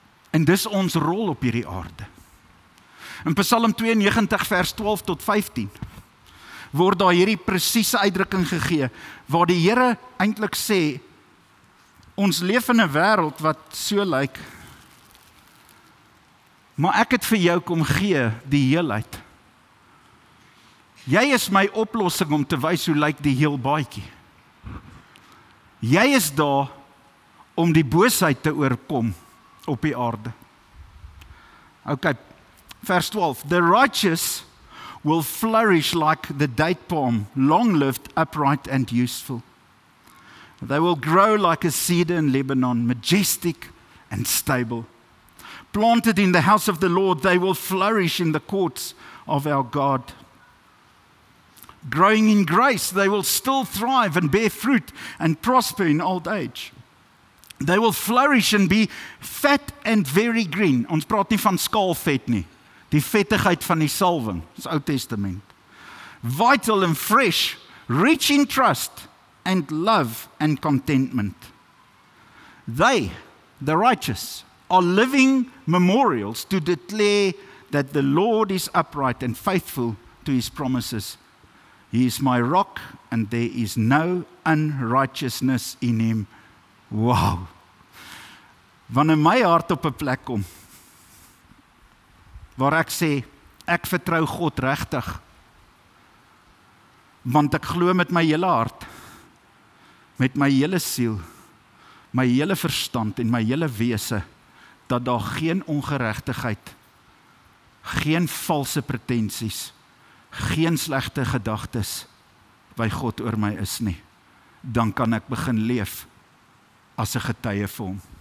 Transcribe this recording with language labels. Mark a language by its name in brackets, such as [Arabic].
[Afrikaans] En dis ons rol op hierdie aarde. In Psalm 92 vers 12 tot 15 word daar hierdie presiese uitdrukking gegee waar die Here eintlik sê ons leef in 'n wêreld wat so lyk maar ek het vir jou kom gee die heelheid. Jy is my oplossing om te wys hoe lyk die heel baadjie. Jy is daar om die boosheid te oorkom op die aarde. OK, vers 12. [English] The righteous will flourish like the date palm, long-lived, upright and useful. They will grow like a cedar in Lebanon, majestic and stable. Planted in the house of the Lord, they will flourish in the courts of our God. Growing in grace, they will still thrive and bear fruit and prosper in old age. They will flourish and be fat and very green. [Afrikaans] Ons praat nie van skaalvet nie. Die vettigheid van die salwing, is Ou Testament. [English] Vital and fresh, rich in trust and love and contentment. They, the righteous, are living memorials to declare that the Lord is upright and faithful to his promises. He is my rock and there is no unrighteousness in him. Wow. [Afrikaans] Wanneer my hart op 'n plek kom, waar ek sê, ek vertrou God regtig, want ek glo met my hele hart, met my hele siel, my hele verstand en my hele wese, dat daar geen ongeregtigheid, geen valse pretensies, geen slegte gedagtes by God oor my is nie, dan kan ek begin leef as 'n getuie vir hom.